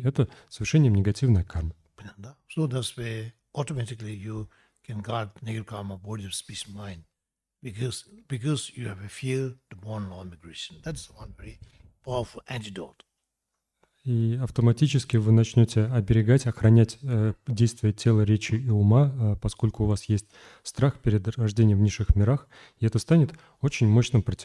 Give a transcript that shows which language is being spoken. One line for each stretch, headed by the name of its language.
Russian: Это совершением негативной кармы.
English: So that's where automatically you can guard negative karma, body, speech, mind, because you have a fear to born low migration. That's one very powerful antidote.
Russian: И автоматически вы начнете оберегать, охранять действия тела, речи и ума, поскольку у вас есть страх перед рождением в низших мирах, и это станет очень мощным